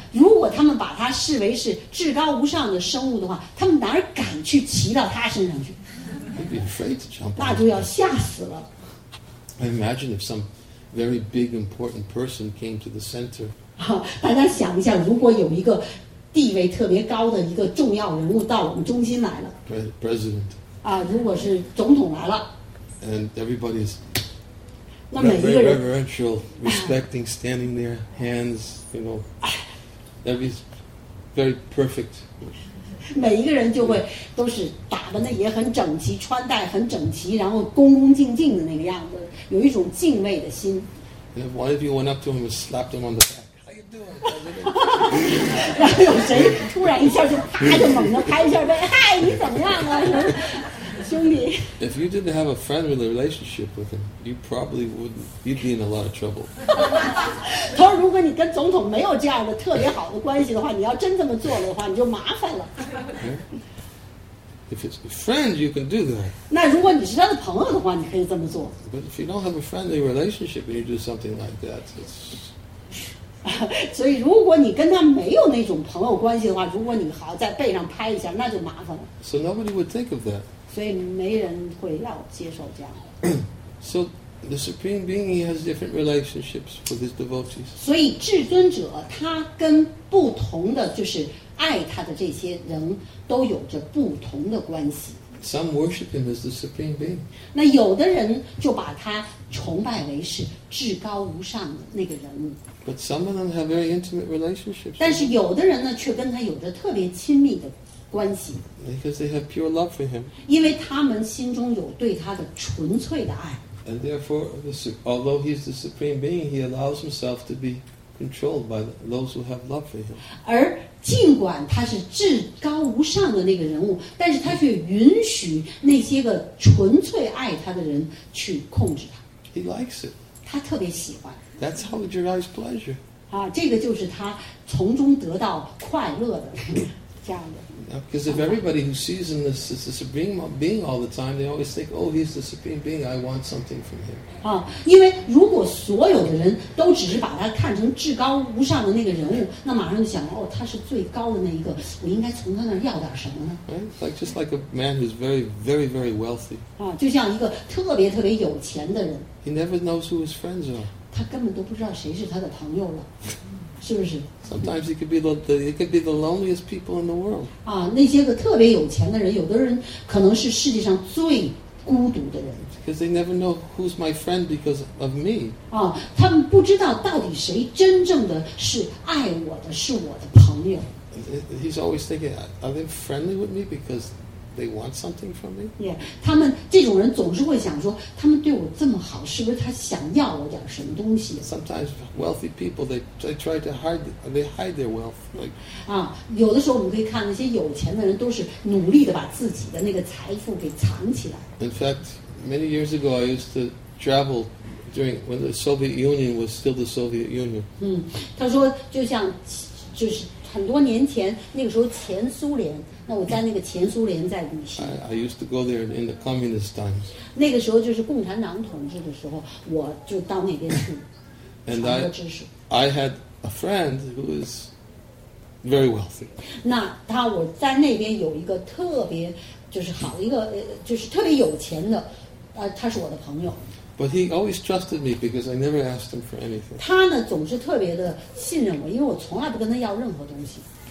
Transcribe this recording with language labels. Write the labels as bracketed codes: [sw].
[zh] 如果他们把他视为是至高无上的生物的话，他们哪敢去骑到他身上去？ [en] They'd be afraid to jump. [zh] 那就要吓死了。 [en] I imagine if some very big important person came to the center. [zh] 大家想一下，如果有一个地位特别高的一个重要人物到我们中心来了。 [en] President. [zh] 如果是总统来了。 [en] And everybody's. [zh] 那每一个人 [en] very reverential, respecting, standing there, hands, you know, that is very perfect. [zh] 每一个人就会都是打扮的也很整齐，穿戴很整齐，然后恭恭敬敬的那个样子，有一种敬畏的心。 [en] And if one of you went up to him and slapped him on the back, how you doing? [zh] 然后有谁突然一下就啪就猛地拍一下背，嗨，你怎么样啊？兄弟 [en] If you didn't have a friendly relationship with him, you probably wouldn't. You'd be in a lot of trouble. [zh] 他说：“如果你跟总统没有这样的特别好的关系的话，你要真这么做的话，你就麻烦了。 [en] Okay. If it's a friend, you can do that. [zh] 那如果你是他的朋友的话，你可以这么做。 [en] But if you don't have a friendly relationship and you do something like that, it's [zh] 所以如果你跟他没有那种朋友关系的话，如果你好在背上拍一下，那就麻烦了。 [en] So nobody would think of that. [zh] 所以没人会要接受这样。 [en] So the Supreme Being, he has different relationships with his devotees. [zh] 所以至尊者他跟不同的就是爱他的这些人都有着不同的关系。 [en] Some worship him as the Supreme Being. [zh] 那有的人就把他崇拜为是至高无上的那个人物。 [en] But some of them have very intimate relationships. [zh] 但是有的人呢，却跟他有着特别亲密的关系。 [en] Because they have pure love for him. [zh] 因为他们心中有对他的纯粹的爱。 [en] And therefore, although he's the Supreme Being, he allows himself to be controlled by those who have love for him. [zh] 而尽管他是至高无上的那个人物，但是他却允许那些个纯粹爱他的人去控制他。 [en] He likes it. [zh] 他特别喜欢。 [en] That's how he derives pleasure. [zh] 啊，这个就是他从中得到快乐的这样的。 [en] Because if everybody who sees him as the supreme being all the time, they always think, "Oh, he's the supreme being. I want something from him." [zh] 啊，因为如果所有的人都只是把他看成至高无上的那个人物，那马上就想，哦，他是最高的那一个，我应该从他那儿要点什么呢？ [en] Right? Like just like a man who's very, very, very wealthy. [zh] 啊，就像一个特别特别有钱的人。 [en] He never knows who his friends are. [zh] 他根本都不知道谁是他的朋友了。是不是 [en] ？Sometimes he could be the loneliest people in the world. [zh] 啊，那些个特别有钱的人，有的人可能是世界上最孤独的人。 [en] Because they never know who's my friend because of me. [zh] 啊，他们不知道到底谁真正的是爱我的，是我的朋友。 [en] He's always thinking, are they friendly with me because they want something from me? [zh] Yeah, 他们这种人总是会想说，他们对我这么好，是不是他想要我点什么东西？ [en] Sometimes wealthy people they try to hide, they hide their wealth. Like, [zh] 啊，有的时候我们可以看那些有钱的人都是努力的把自己的那个财富给藏起来。 [en] In fact, many years ago, I used to travel during when the Soviet Union was still the Soviet Union. [zh] 嗯，他说就像就是。很多年前，那个时候前苏联，那我在那个前苏联在旅行。 [en] I used to go there in the communist times. [zh] 那个时候就是共产党统治的时候，我就到那边去。 [en] And I had a friend who is very wealthy. [zh] 那他我在那边有一个特别就是好一个就是特别有钱的，他是我的朋友。 [en] But he always trusted me because I never asked him for anything. [zh] 他呢总是特别的信任我，因为我从来不跟他要任何东西。